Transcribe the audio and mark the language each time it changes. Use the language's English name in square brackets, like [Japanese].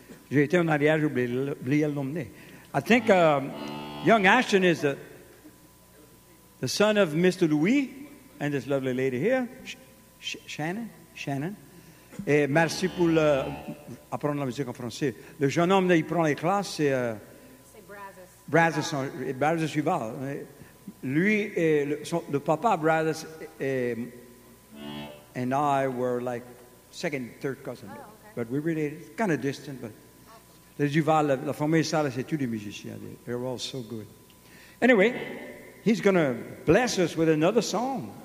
[French] J'ai été en arrière, j'ai oublié de l'emmener. [English] I think young Ashton is the son of Mr. Louis and this lovely lady here, Shannon. [French] Et merci pour apprendre la musique en français. Le jeune homme qui prend les classes, c'est... Brazos [English] Rival. [French] Lui et le papa [English] Brazos and I were like second, third cousin. Oh, okay. But we're related. Kind of distant, but... [French] Les Duval, la famille Salas, c'est tous des musiciens. [English] They're all so good. Anyway, he's going to bless us with another song.